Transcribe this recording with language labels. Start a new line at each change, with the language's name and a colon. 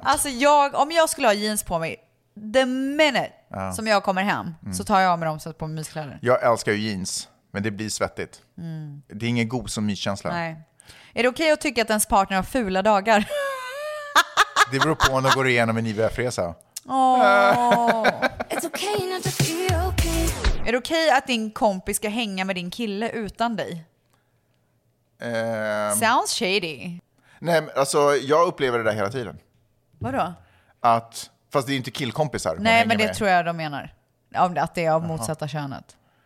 Swedish: Alltså jag, om jag skulle ha jeans på mig
English: the minute
Swedish: som jag kommer hem så tar jag av mig dem så att på mig myskläder. Jag älskar ju jeans, men det blir svettigt. Det är ingen god som myskänsla. Nej. Är det okej att tycka att ens partner har fula dagar? Det beror på om de går igenom en IVF-resa. Åh.
English: It's okay not to feel okay.
Swedish: Är det okej att din kompis ska hänga med din kille utan dig?
English: Sounds shady.
Swedish: Nej, alltså jag upplever det där hela tiden. Vadå? Att, fast det är inte killkompisar. Nej, men det med. Tror jag de menar. Att det är av motsatta könet.